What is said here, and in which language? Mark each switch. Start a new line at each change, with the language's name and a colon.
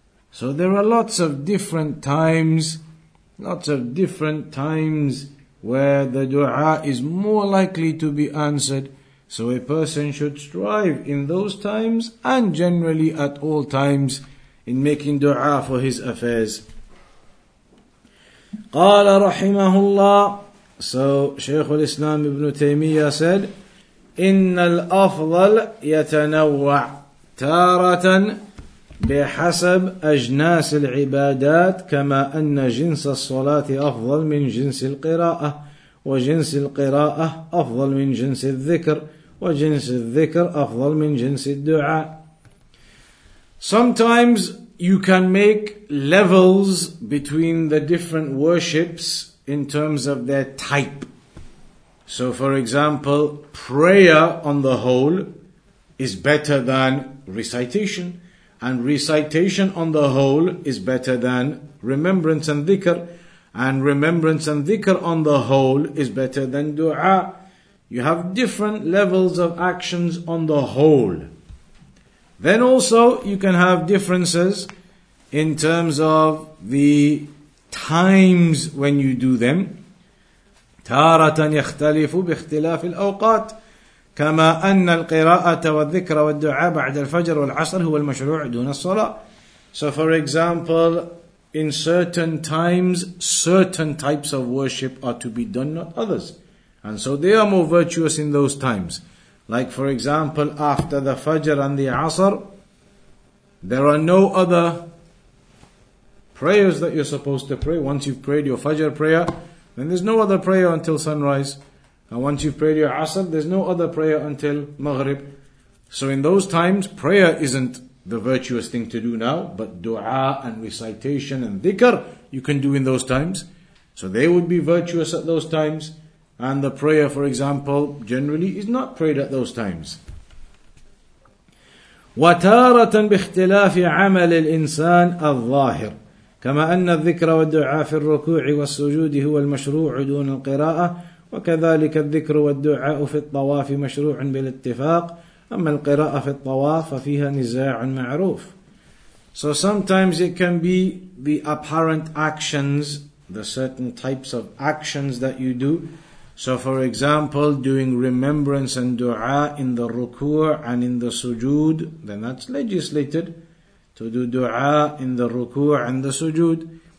English: So there are lots of different times where the dua is more likely to be answered. So a person should strive in those times and generally at all times in making dua for his affairs.
Arabic: قَالَ رَحِمَهُ اللَّهِ.
English: So Shaykh al-Islam ibn Taymiyyah said,
Arabic: إِنَّ الْأَفْضَلْ يَتَنَوَّعْ تَارَةً بحسب أجناس العبادات كما أن جنس الصلاة أفضل من جنس القراءة وجنس القراءة أفضل من جنس الذكر وجنس الذكر أفضل من جنس الدعاء.
English: Sometimes you can make levels between the different worships in terms of their type. So for example, prayer on the whole is better than recitation. And recitation on the whole is better than remembrance and dhikr. And remembrance and dhikr on the whole is better than dua. You have different levels of actions on the whole. Then also you can have differences in terms of the times when you do them.
Arabic: Taratan yakhtalifu bikhtilafi al-awqat. كما أن القراءة والذكر والدعاء بعد الفجر والعصر هو المشروع دون الصلاة.
English: So for example, in certain times, certain types of worship are to be done, not others. And so they are more virtuous in those times. Like for example, after the Fajr and the Asr, there are no other prayers that you're supposed to pray. Once you've prayed your Fajr prayer, then there's no other prayer until sunrise. And once you've prayed your Asr, there's no other prayer until Maghrib. So in those times, prayer isn't the virtuous thing to do now, but dua and recitation and dhikr, you can do in those times. So they would be virtuous at those times. And the prayer, for example, generally is not prayed at those times.
Arabic: وَتَارَةً بِاخْتِلَافِ عَمَلِ الْإِنسَانِ الظَّاهِرِ كَمَا أَنَّ الذِّكْرَ وَالدُّعَاءَ فِي الرُّكُوعِ وَالسُّجُودِ هُوَ الْمَشْرُوعُ دُونَ الْقِرَاءَةِ وكذلك الذكر والدعاء في الطواف مشروع بالاتفاق أما القراءة في الطواف ففيها نزاع معروف.
English: So sometimes it can be the apparent actions, the certain types of actions that you do. So for example, doing remembrance and dua in the ruku' and in the sujood, then that's legislated to do dua in the ruku' and the sujood.